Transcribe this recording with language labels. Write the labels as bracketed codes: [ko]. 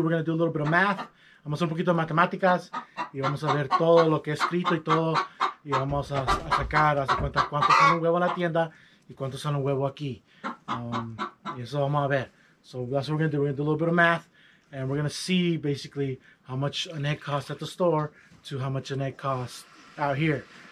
[en] We're gonna do a little bit of math. [es] Vamos a hacer un poquito de matemáticas y vamos a ver todo lo que he escrito y todo, y vamos a sacar a cuenta cuánto son un huevo en la tienda y cuánto son un huevo aquí. Y eso vamos a ver. [en] So that's what we're gonna do. We're gonna do a little bit of math, and we're gonna see basically how much an egg costs at the store to how much an egg costs out here.